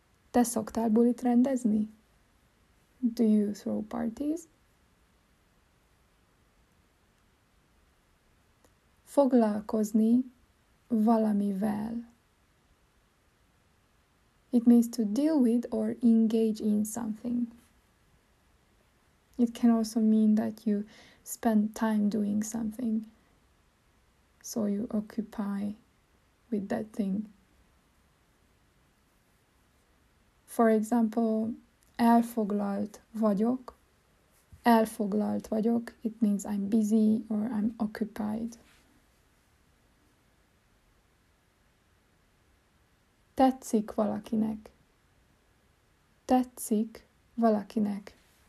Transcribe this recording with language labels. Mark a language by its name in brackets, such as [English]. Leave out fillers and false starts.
[Hungarian] Te szoktál bulit rendezni? [English] Do you throw parties? [Hungarian] Foglalkozni valamivel. [English] It means to deal with or engage in something. It can also mean that you spend time doing something, so you occupy with that thing. For example, [Hungarian] elfoglalt vagyok. Elfoglalt vagyok. [English] It means I'm busy or I'm occupied. [Hungarian] Tetszik valakinek. Tetszik valakinek.